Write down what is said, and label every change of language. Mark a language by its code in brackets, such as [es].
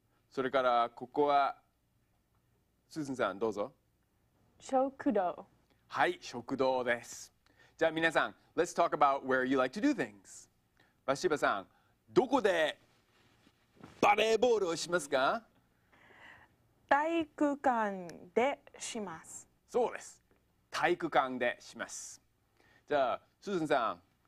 [ja] それからここはスーズンさんどうぞ。食堂。はい、食堂です。じゃあ皆さん、 [en] Let's talk about where you like to do things。 [ja] バシバさん、どこでバレーボールをしますか？体育館でします。そうです。体育館でします。じゃあスーズンさん。